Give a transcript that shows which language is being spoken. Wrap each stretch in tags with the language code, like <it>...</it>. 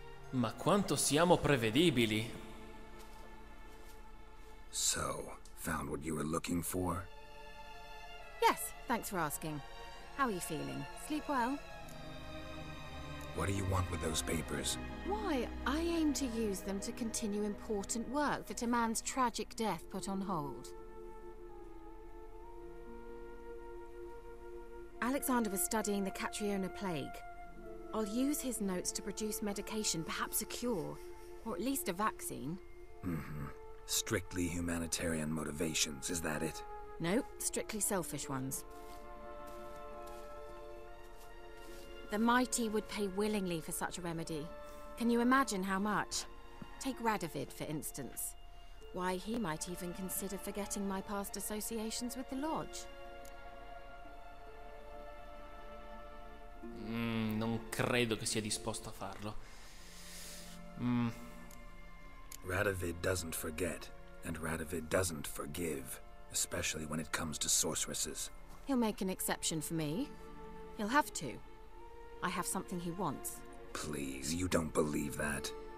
<it>Ma quanto siamo prevedibili?</it> <en>So, found what you were looking for? Yes, thanks for asking. How are you feeling? Sleep well? What do you want with those papers? Why, I aim to use them to continue important work that a man's tragic death put on hold. Alexander was studying the Catriona plague. I'll use his notes to produce medication, perhaps a cure, or at least a vaccine. Mm-hmm. Strictly humanitarian motivations, is that it? No, strictly selfish ones. The mighty would pay willingly for such a remedy. Can you imagine how much? Take Radovid, for instance. Why, he might even consider forgetting my past associations with the Lodge.</en> <it>Non credo che sia disposto a farlo.</it> <en>Radovid doesn't forget, and Radovid doesn't forgive, especially when it comes to sorceresses. He'll make an exception for me. He'll have to. I have something he wants. Please, you don't believe that.</en>